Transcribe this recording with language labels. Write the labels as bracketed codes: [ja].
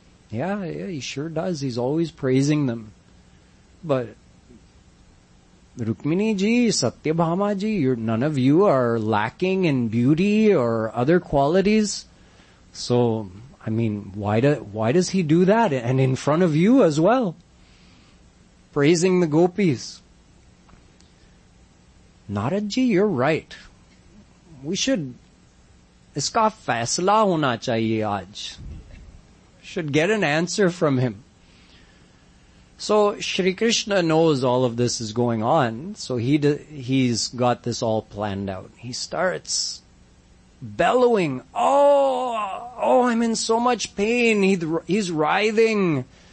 [en] Yeah, he sure does. He's always praising them. But Rukmini ji, Satyabhama ji, none of you are lacking in beauty or other qualities. So, I mean, why does he do that? And in front of you as well. Praising the gopis. Naradji, you're right. We should, [hi] इसका फ़ैसला होना चाहिए आज। [en] Should get an answer from him. So Shri Krishna knows all of this is going on. So he's got this all planned out. He starts bellowing. Oh, I'm in so much pain. He's writhing.